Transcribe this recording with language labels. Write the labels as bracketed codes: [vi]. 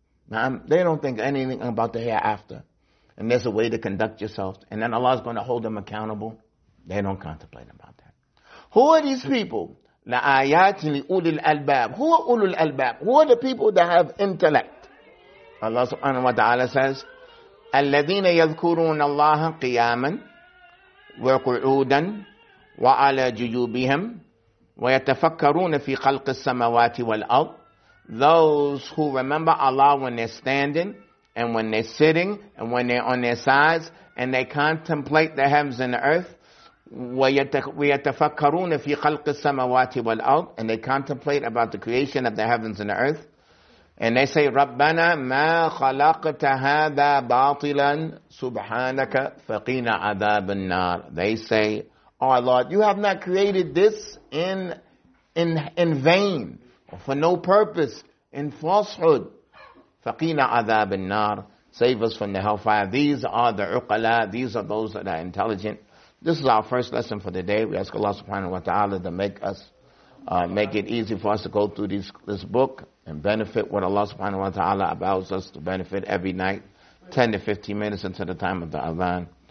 [en] They don't think anything about the hereafter. And there's a way to conduct yourself. And then Allah is going to hold them accountable. They don't contemplate about that. Who are these people? [ar] لَآيَاتٍ لِأُولِي الْأَلْبَابِ. [en] Who are [ar] أُولُو الْأَلْبَابِ? [en] Who are the people that have intellect? Allah subhanahu wa ta'ala says, [ar] الذين يذكرون الله قياما وقعودا وعلى جيوبهم ويتفكرون في خلق السماوات والأرض. [en] Those who remember Allah when they're standing and when they're sitting and when they're on their sides and they contemplate the heavens and the earth. [ar] ويتفكرون في خلق السماوات والأرض. [en] And they contemplate about the creation of the heavens and the earth. And they say, [ar] رَبَّنَا مَا خَلَقْتَ هَذَا بَاطِلًا سُبْحَانَكَ فَقِينَ عَذَابَ النَّارِ. [en] They say, oh Lord, you have not created this in vain, for no purpose, in falsehood. [ar] فَقِينَ عَذَابَ النَّارِ. [en] Save us from the hellfire. These are the عُقَلَى. These are those that are intelligent. This is our first lesson for the day. We ask Allah subhanahu wa ta'ala to make us make it easy for us to go through this book and benefit what Allah subhanahu wa ta'ala allows us to benefit every night, 10 to 15 minutes into the time of the adhan.